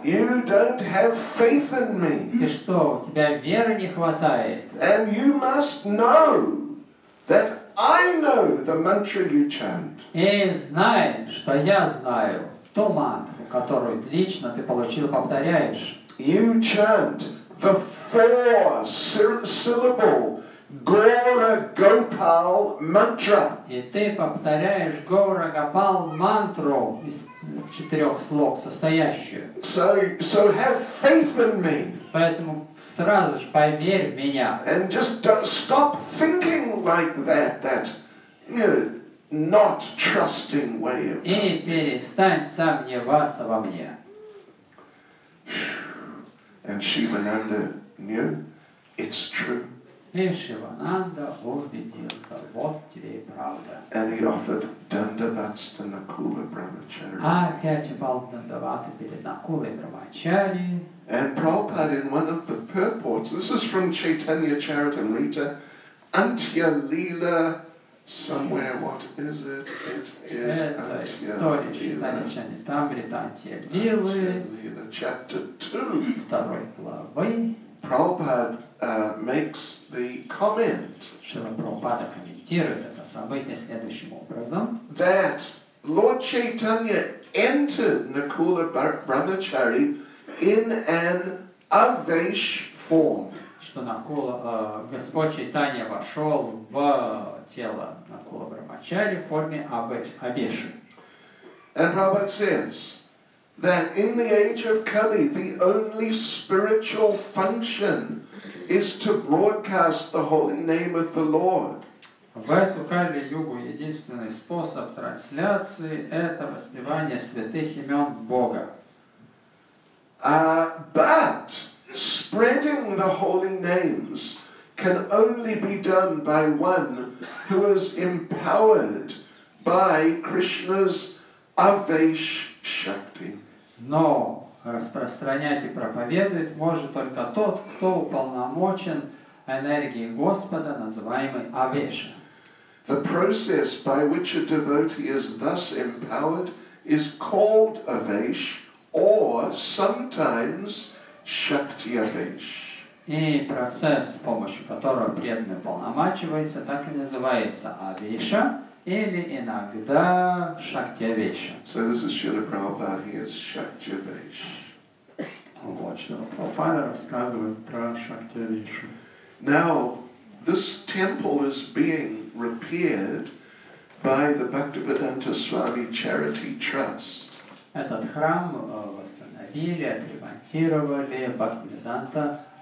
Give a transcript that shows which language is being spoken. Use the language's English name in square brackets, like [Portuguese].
[English] You don't have faith in me. [Russian] Ты что, у тебя веры не хватает? [English] And you must know that I know the mantra you chant. [Russian] И знай, что я знаю ту мантру, которую лично ты получил, повторяешь. [English] You chant the four syllable. Gaura Gopal mantra. [Russian] И ты повторяешь Гаура Гопал мантру из четырех слог состоящую. [English] So have faith in me. [Russian] Поэтому сразу же поверь в меня. [English] And just don't stop thinking like that you know, not trusting way of God. [Russian] И перестань сомневаться во мне. [English] And Шивананда knew it's true. [Russian] И Шивананда убедился, вот тебе и правда. [English] And he offered dandavats to Nakula Brahmachari. [Russian] Опять упал дандаваты перед Накулой Брахмачари. [English] And Prabhupada in one of the purports, this is from Chaitanya Charitamrita, Antya Leela, somewhere, what is it? [Russian] Это история Chaitanya Charitamrita, Antya Leela, [English] chapter 2, [Russian] второй главы. [English] Prabhupada makes the comment. [Russian] Шрила Прабхупада комментирует это событие следующим образом. [English] That Lord Chaitanya entered Nakula Brahmachari in an avesh form. [Russian] Что Накула, Господь Чайтанья вошел в тело Накула Брахмачари в форме авеши. [English] And Prabhupada says that in the age of Kali, the only spiritual function is to broadcast the holy name of the Lord. [Russian] В эту Кали-югу единственный способ трансляции – это воспевание святых имен Бога. [English] But spreading the holy names can only be done by one who is empowered by Krishna's Avesh Shakti. [Russian] Но распространять и проповедовать может только тот, кто уполномочен энергией Господа, называемой Авеша. [English] The process by which a devotee is thus empowered is called Авеш, or sometimes Шакти Авеш. [Russian] И процесс, с помощью которого преданный уполномачивается, так и называется Авеша. Или иногда Шактявеша. [English] So this is Srila Prabhupada, he is Шактявеш. [Russian] Вот что Прабхупада рассказывает про Шактявешу. [English] Now, this temple is being repaired by the Bhaktivedanta Swami Charity Trust. [Russian] Этот храм восстановили, отремонтировали Бхактиведанта